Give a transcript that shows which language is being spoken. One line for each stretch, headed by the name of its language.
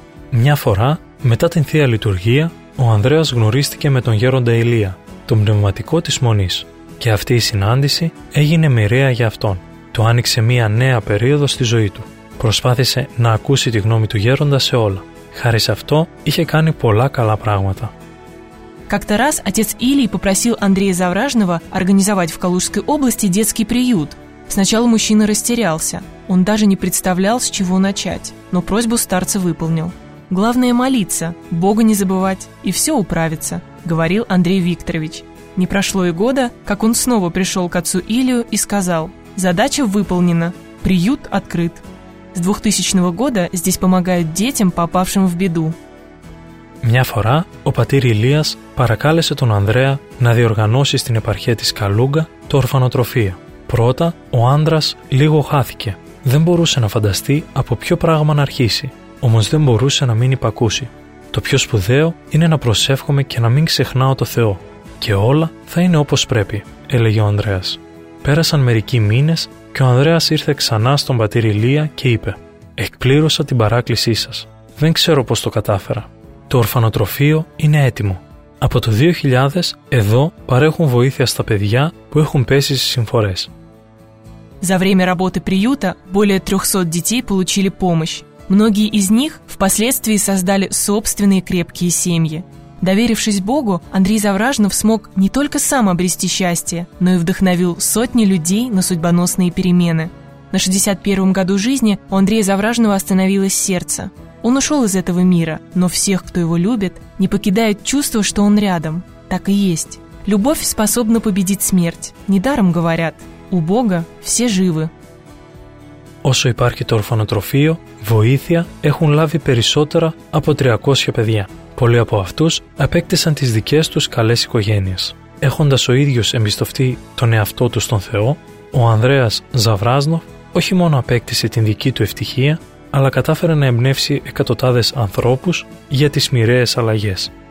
Greek: Μια φορά, μετά την Θεία Λειτουργία, ο Ανδρέας γνωρίστηκε με τον Γέροντα Ηλία, τον πνευματικό της Μονής, και αυτή η συνάντηση έγινε μοιραία για αυτόν. Το άνοιξε μια νέα περίοδο στη ζωή του. Προσπάθησε να ακούσει τη γνώμη του Γέροντα σε όλα. Χάρη σε αυτό, είχε κάνει πολλά καλά πράγματα.
Russian: Как-то раз отец Илий попросил Андрея Завражного организовать в Калужской области детский приют. Сначала мужчина растерялся. Он даже не представлял, с чего начать. Но просьбу старца выполнил. «Главное – молиться, Бога не забывать, и все управится», – говорил Андрей Викторович. Не прошло и года, как он снова пришел к отцу Илию и сказал: «Задача выполнена, приют открыт». С 2000 года здесь помогают детям, попавшим в беду.
Greek: Μια φορά ο πατήρ Ηλίας παρακάλεσε τον Ανδρέα να διοργανώσει στην επαρχία της Καλούγκα το ορφανοτροφείο. Πρώτα, ο άντρας λίγο χάθηκε. Δεν μπορούσε να φανταστεί από ποιο πράγμα να αρχίσει. Όμως δεν μπορούσε να μην υπακούσει. Το πιο σπουδαίο είναι να προσεύχομαι και να μην ξεχνάω το Θεό. Και όλα θα είναι όπως πρέπει, έλεγε ο Ανδρέας. Πέρασαν μερικοί μήνες και ο Ανδρέας ήρθε ξανά στον πατήρ Ηλία και είπε: «Εκπλήρωσα την παράκλησή σας. Δεν ξέρω πώς το κατάφερα. Το ορφανοτροφείο είναι έτοιμο. Από το 2000 εδώ παρέχουν βοήθεια στα παιδιά που έχουν πέσει στις συμφορές».
Russian: За время работы приюта более 300 детей получили помощь. Многие из них впоследствии создали собственные крепкие семьи. Доверившись Богу, Андрей Завражнов смог не только сам обрести счастье, но и вдохновил сотни людей на судьбоносные перемены. На 61-м году жизни у Андрея Завражного остановилось сердце. Он ушел из этого мира, но всех, кто его любит, не покидает чувство, что он рядом. Так и есть. Любовь способна победить смерть. Недаром говорят: «У Бога все живы».
Greek: όσο υπάρχει το ορφανοτροφείο, βοήθεια έχουν λάβει περισσότερα από 300 παιδιά. Πολλοί από αυτούς απέκτησαν τις δικές τους καλές οικογένειες. Έχοντας ο ίδιος εμπιστευτεί τον εαυτό του στον Θεό, ο Ανδρέας Ζαβράζνοφ όχι μόνο απέκτησε την δική του ευτυχία, αλλά κατάφερε να εμπνεύσει εκατοντάδες ανθρώπους για τις μοιραίες αλλαγές.